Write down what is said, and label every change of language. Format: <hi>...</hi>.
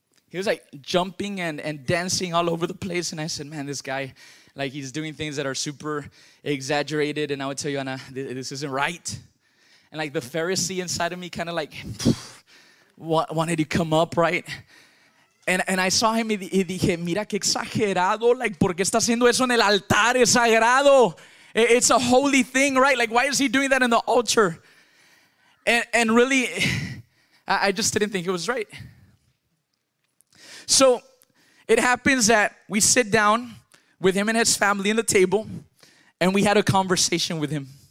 <en>He was like jumping and dancing all over the place, and I said, "Man, this guy, like, he's doing things that are super exaggerated." And I would tell you, Anna, this isn't right. And like the Pharisee inside of me kind of like wanted to come up, right? And I saw him</en> <es>y dije, mira qué exagerado,</es> <en>like,</en> <es>¿por qué está haciendo eso en el altar? Es sagrado.</es> <en>It's a holy thing, right? Like, why is he doing that in the altar? And really, I just didn't think it was right. So it happens that we sit down with him and his family in the table, and we had a conversation with him.</en>